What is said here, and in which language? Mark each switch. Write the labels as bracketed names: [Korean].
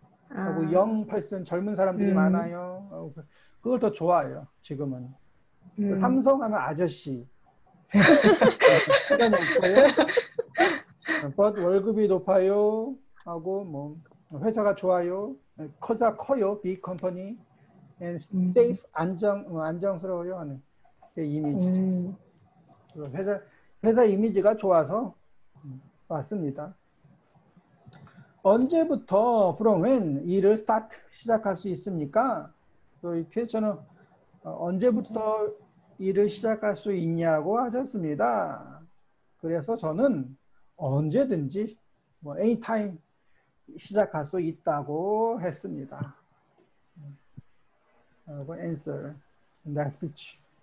[Korean] 하고 [English] young person [Korean] 젊은 사람들이 많아요. 그걸 더 좋아해요. 지금은 삼성하면 아저씨. 시간이 없어요. But 월급이 높아요 하고 뭐 회사가 좋아요. 커서 커요. [English] Big company and safe [Korean] 안정스러워요 하는 이미지. 회사 이미지가 좋아서 왔습니다. 언제부터 [English] from when [Korean] 일을 start 시작할 수 있습니까? 또 이 퀘스천은 언제부터 일을 시작할 수 있냐고 하셨습니다. 그래서 저는 언제든지 뭐 anytime 시작할 수 있다고 했습니다. [English] 하고 answer in that speech.